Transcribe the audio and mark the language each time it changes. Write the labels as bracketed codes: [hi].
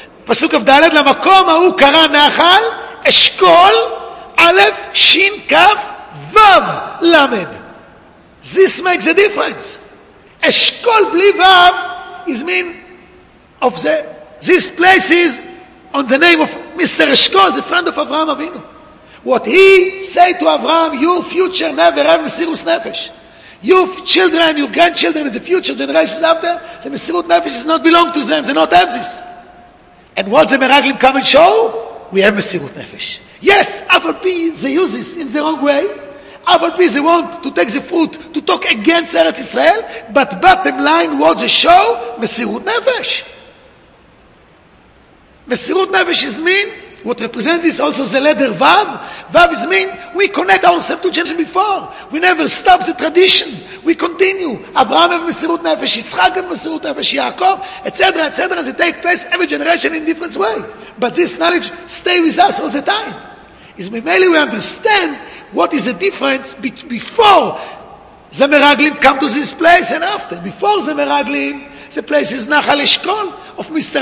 [he] פסוק כ"ד, למקום ההוא קרא נחל אשכול א' ש' כ' ו' ל'. [en] This makes a difference. [he] אשכול בלי ו' [en] is mean of the, this place is on the name of Mr. אשכול, the friend of Abraham Avinu. What he say to Abraham, your future never have Mesirus Nefesh. Your children, your grandchildren in the future, generations after, the Mesirus Nefesh does not belong to them, they not have this. And what the Meraglim come and show? We have Mesirut Nefesh. Yes, Avalpi, they use this in the wrong way. Avalpi, they want to take the fruit to talk against Eretz Israel. But bottom line, what they show? Mesirut Nefesh. מסירות נפש is mean, what represents is also the letter Vav. Vav is mean, we connect ourselves to Jesus before. We never stop the tradition. We continue. Abraham have מסירות נפש, יצחק have מסירות נפש, יעקב, etc., etc. They take place every generation in different way. But this knowledge stays with us all the time. Is mainly we understand what is the difference before the Meraglim come to this place and after. Before the Meraglim, the place is Nachal Eshkol of Mr.